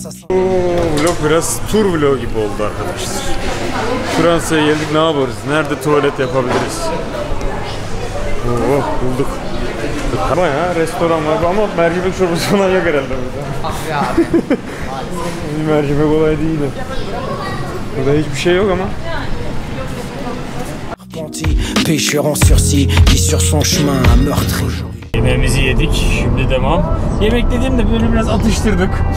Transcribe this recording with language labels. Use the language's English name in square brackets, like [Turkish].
[Turkish] Vlog biraz tur vlogu gibi oldu arkadaşlar. Fransa'ya geldik, ne yaparız? Nerede tuvalet yapabiliriz? Oo, bulduk. Ama ya restoran var ama mercimek çorbası falan yok herhalde burada. Ah ya abi. Mercimek olay değil. Burada hiçbir şey yok ama. [French] Pêcheur en sursis qui sur son chemin a meurtri. [Turkish] Yemeğimizi yedik, şimdi devam. Yemek dediğimde böyle biraz atıştırdık.